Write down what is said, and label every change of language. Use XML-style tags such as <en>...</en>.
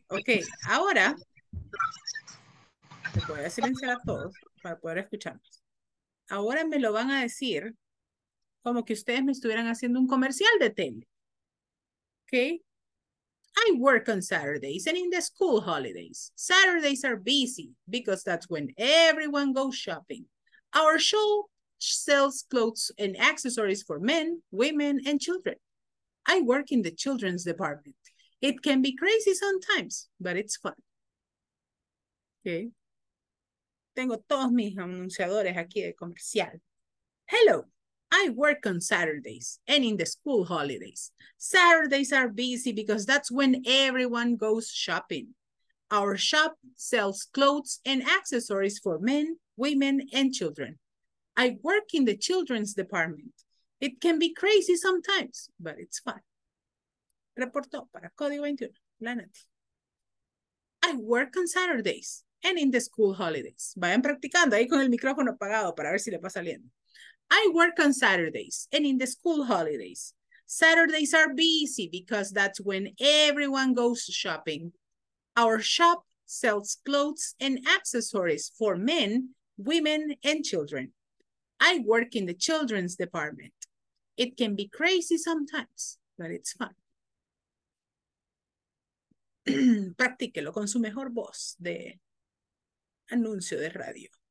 <es>Okay, ahora te voy a silenciar a todos para poder escucharnos. Ahora me lo van a decir como que ustedes me estuvieran haciendo un comercial de tele.</es> <en>Okay. I work on Saturdays and in the school holidays. Saturdays are busy because that's when everyone goes shopping. Our show sells clothes and accessories for men, women, and children. I work in the children's department. It can be crazy sometimes, but it's fun. Okay.</en> <es>Tengo todos mis anunciadores aquí de comercial. Hello.</es> <en>I work on Saturdays and in the school holidays. Saturdays are busy because that's when everyone goes shopping. Our shop sells clothes and accessories for men, women, and children. I work in the children's department. It can be crazy sometimes, but it's fun.</en> <es>Reportó para Código 21, la Nati.</es> <en>I work on Saturdays and in the school holidays.</en> <es>Vayan practicando ahí con el micrófono apagado para ver si le va saliendo.</es> <en>I work on Saturdays and in the school holidays. Saturdays are busy because that's when everyone goes shopping. Our shop sells clothes and accessories for men, women, and children. I work in the children's department. It can be crazy sometimes, but it's fun.</en> <es>Practíquelo con su mejor voz de anuncio de radio.</es>